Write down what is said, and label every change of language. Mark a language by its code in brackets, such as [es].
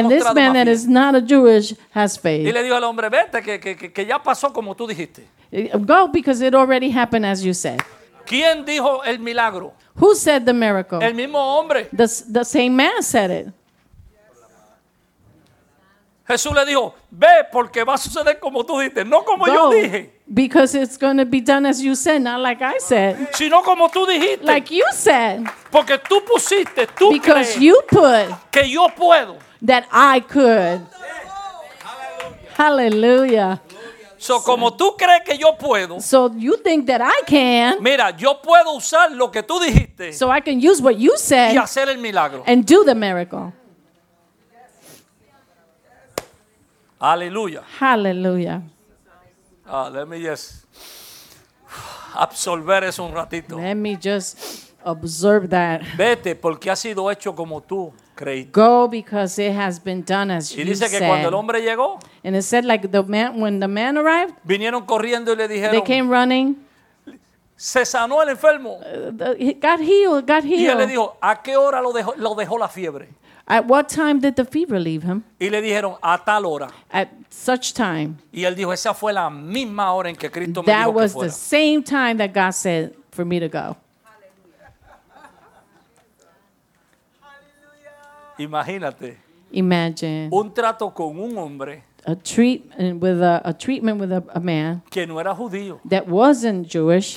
[en] And this man that is not a Jewish has faith. [es] Y le dijo al hombre, vete, que ya pasó como tú dijiste. [en] Go, because it already happened as you said. [es] ¿Quién dijo el milagro? [en] Who said the miracle? [es] El mismo hombre. [en] The same man said it. [es] Jesús le dijo, ve, porque va a suceder como tú dijiste, no como [en] go, [es] yo dije. [en] Because it's going to be done as you said, not like I said. [es] Sino como tú dijiste. [en] Like you said. [es] Porque tú pusiste, tú [en] because [es] crees [en] you put [es] que yo puedo. [en] That I could. Hallelujah. [es] So como tú crees que yo puedo. [en] So you think that I can. [es] Mira, yo puedo usar lo que tú dijiste. [en] So I can use what you said. [es] Y hacer el milagro. [en] And do the miracle. [es] Aleluya. [en] Hallelujah. Let me just [es] absorber eso un ratito. [en] Let me just absorb that. [es] Vete porque ha sido hecho como tú creíste. [en] Go because it has been done as you said. [es] Y dice que cuando el hombre llegó, [en] and it said like the man when the man arrived, [es] vinieron corriendo y le dijeron, [en] they came running. [es] Se sanó el enfermo. [en] He got healed. [es] Y él le dijo, ¿a qué hora lo dejó la fiebre? [en] At what time did the fever leave him? [es] Y le dijeron, a tal hora. [en] At such time. [es] Y él dijo, esa fue la misma hora en que Cristo [en] that [es] me dijo que fuera. [en] That was the same time that God said for me to go. [es] Imagínate. [en] Imagine. [es] Un trato con un hombre. [en] A treatment with a man. [es] Que no era judío. [en] That wasn't Jewish.